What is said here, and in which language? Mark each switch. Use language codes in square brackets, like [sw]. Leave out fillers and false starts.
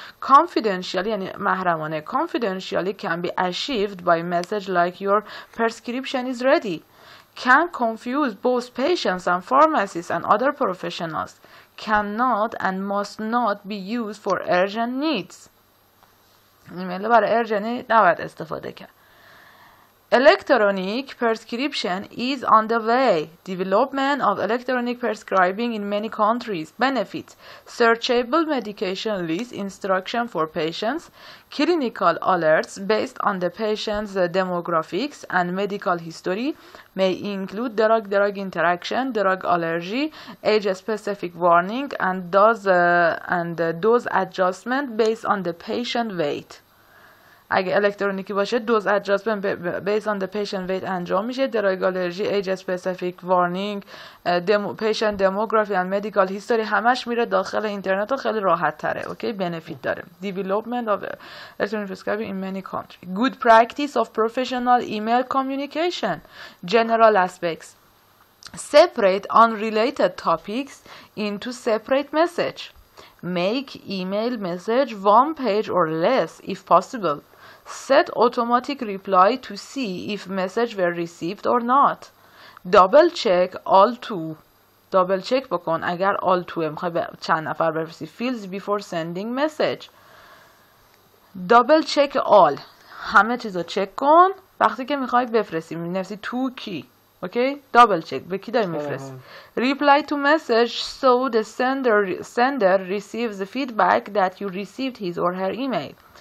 [en] Confidentially, [fa] یعنی محرمانه. [en] Confidentially can be achieved by message like your prescription is ready. Can confuse both patients and pharmacists and other professionals. Cannot and must not be used for urgent needs. [fa] ایمیل برای ارجنی نباید استفاده کرد. [en] Electronic prescription is on the way. Development of electronic prescribing in many countries. Benefits. Searchable medication list instruction for patients. Clinical alerts based on the patient's demographics and medical history may include drug-drug interaction, drug allergy, age-specific warning, and dose adjustment based on the patient weight. [fa] اگه الکترونیکی باشه [en] dose adjustment base on the patient weight [fa] انجام میشه. [en] drug allergy, age specific warning, patient demography and medical history [fa] همش میره داخل اینترنت و خیلی راحت تره. [en] okay benefit [fa] داره. [en] Development of electronic prescribe in many country. Good practice of professional email communication general aspects separate on related topics into separate message. Make email message one page or less if possible. Set automatic reply to see if message were received or not. Double check all to. Double check [fa] بکن اگر [en] all to [fa] میخوای چند نفر بفرستی. [en] Fields before sending message. Double check all. [fa] همه چیزو چک کن وقتی که میخوای بفرستی. می‌نویسی [en] to [fa] کی. [en] Okay, double check. [fa] به کی داری میفرست؟ [en] Reply to message so the sender receives the feedback that you received his or her email.